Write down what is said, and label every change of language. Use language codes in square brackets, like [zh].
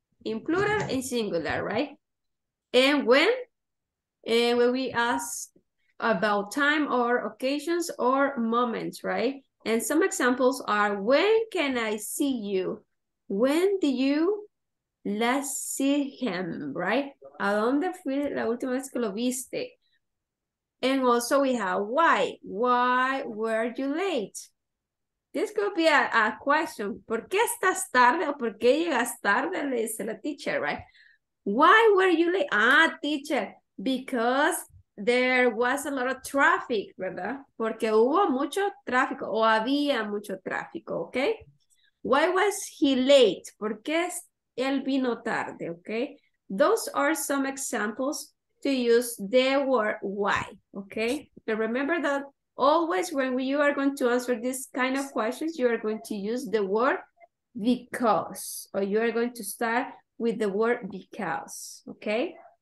[en] In plural and singular, right? And when? When we ask about time or occasions or moments, right? And some examples are, when can I see you? When do you last see him, right? [es] ¿A dónde fue la última vez que lo viste? [en] And also we have, why? Why were you late? This could be a question. [es] ¿Por qué estás tarde o por qué llegas tarde? Le dice la [en] teacher, right? Why were you late? Ah, teacher, because there was a lot of traffic, ¿verdad? [es] Porque hubo mucho tráfico o había mucho tráfico, ¿ok? [en] Why was he late? [es] ¿Por qué él vino tarde, ok? [en] Those are some examples to use the word why, ok? And remember that always when you are going to answer this kind of questions, you are going to use the word because, or you are going to start with the word because, ok?